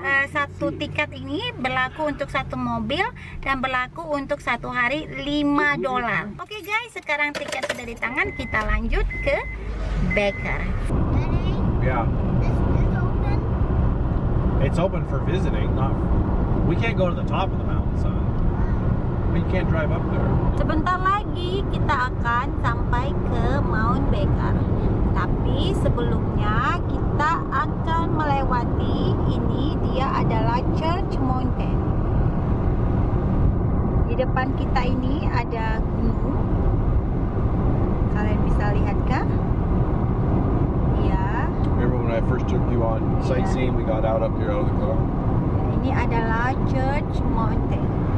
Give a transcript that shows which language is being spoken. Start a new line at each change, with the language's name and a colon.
Indonesian: Satu tiket ini berlaku untuk satu mobil dan berlaku untuk satu hari $5. Okay, guys, sekarang tiket sudah di tangan, kita lanjut ke Baker.
English: Daddy, yeah. This is open. It's open for visiting. We can't go to the top of the mountain, son. We can't drive up there.
Indonesian: Sebentar lagi kita akan sampai ke Mount Baker. Tapi sebelumnya kita akan melewati ini, dia adalah Church Mountain. Di depan kita ini ada gunung. Kalian bisa lihatkah? Iya.
English: Remember when I first took you on sightseeing, we got out up here out of the car.
Indonesian: Ini adalah Church Mountain.